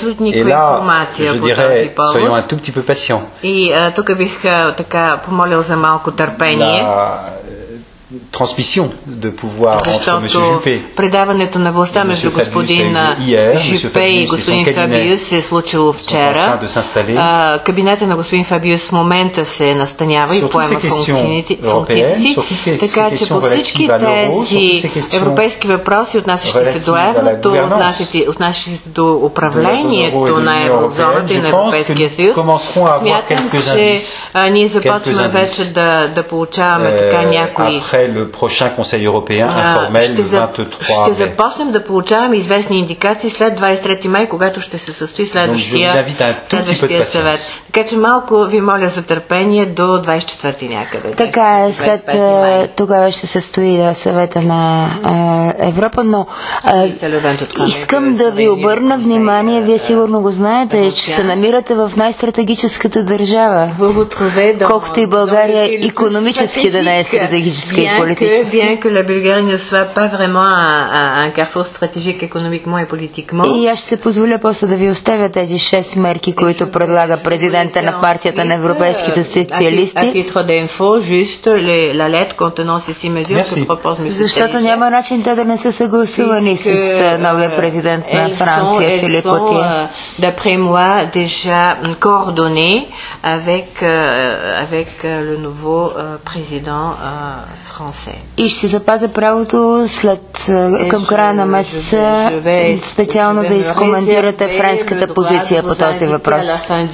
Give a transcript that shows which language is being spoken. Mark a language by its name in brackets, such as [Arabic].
[French] Et là, je dirais, soyons un tout petit peu patients. La transmission de pouvoir entre M. Juppé et M. Fabius a eu lieu hier, M. Fabius et son cabinet sont en train de s'installer. [Bulgarian] Кабинет на господин Фабиус в момента се настанява и поема функциите си. Така че по всички тези европейски въпроси, отнасящи се до еврото, отнасящи се до управлението на еврозоната и на Европейския съюз, смятам, че ние започваме вече да получаваме така някои [French] le prochain conseil européen informel le 23 mai. [Bulgarian] Ще започнем да получаваме известни индикации след 23 май, когато ще се състои следващия съвет. Така че малко ви моля за търпение до 24-ти някъде. Така е, след тогава ще се състои съвета на Европа, но искам да ви обърна внимание, вие сигурно го знаете, че се намирате в най-стратегическата държава. Колкото и България икономически да не е стратегически. [French] Bien que la Bulgarie ne soit pas vraiment un carrefour stratégique économiquement et politiquement. [Bulgarian] И аз ще се позволя после да ви оставя тези шест мерки, които предлага президента на партията на европейските социалисти. [French] À titre d'info, juste la lettre contenant ces six mesures que propose M. [Bulgarian] Защото няма начин те да не са съгласувани с новия президент на Франция, Филип Отиен. [French] Elles sont, d'après moi, déjà coordonnées avec le nouveau président [Bulgarian] И ще запазя правото след към края на месеца специално да изкоментирате френската позиция по този въпрос.